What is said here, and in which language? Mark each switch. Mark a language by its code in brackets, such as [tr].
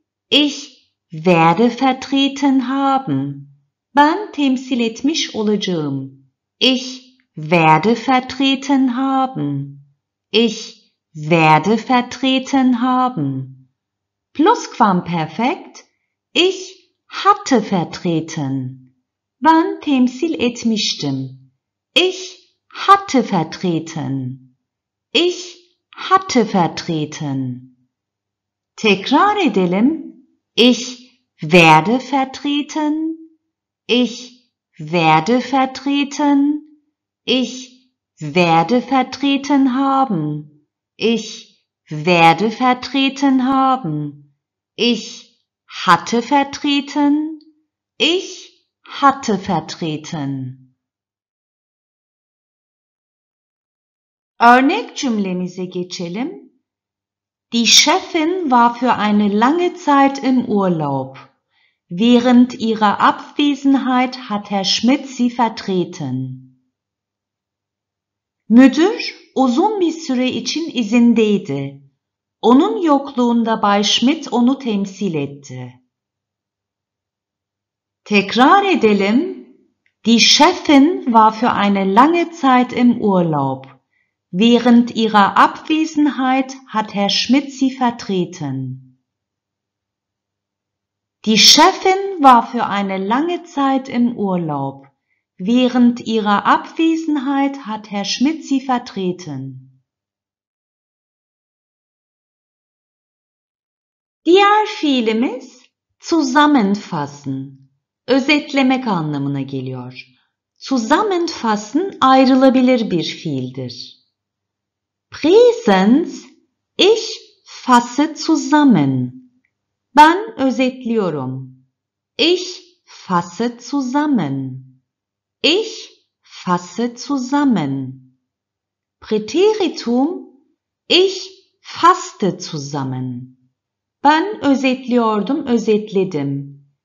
[de] Ich werde vertreten haben. [tr] Ben temsil etmiş olacağım. [de] Ich werde vertreten haben. Ich werde vertreten haben. Plusquamperfekt. Ich hatte vertreten. [tr] Ben temsil etmiştim. [de] Ich hatte vertreten. Ich hatte vertreten. [tr] Tekrar edelim. [de] Ich werde vertreten. Ich werde vertreten. Ich werde vertreten haben. Ich werde vertreten haben. Ich hatte vertreten. Ich hatte vertreten. [tr] Örnek cümlemize geçelim. [de] Die Chefin war für eine lange Zeit im Urlaub. Während ihrer Abwesenheit hat Herr Schmidt sie vertreten. [tr] Müdür uzun bir süre için izindeydi. Onun yokluğunda Bay Schmidt onu temsil etti. Tekrar edelim. [de] Die Chefin war für eine lange Zeit im Urlaub. Während ihrer Abwesenheit hat Herr Schmidt sie vertreten. Die Chefin war für eine lange Zeit im Urlaub. Während ihrer Abwesenheit hat Herr Schmidt sie vertreten. [tr] Diğer fiilimiz zusammenfassen, özetlemek anlamına geliyor. Zusammenfassen ayrılabilir bir fiildir. [de] Präsens, ich fasse zusammen. [tr] Ben özetliyorum. [de] Ich fasse zusammen. Ich fasse zusammen. Präteritum, ich fasste zusammen. [tr] Ben özetliyordum, özetledim.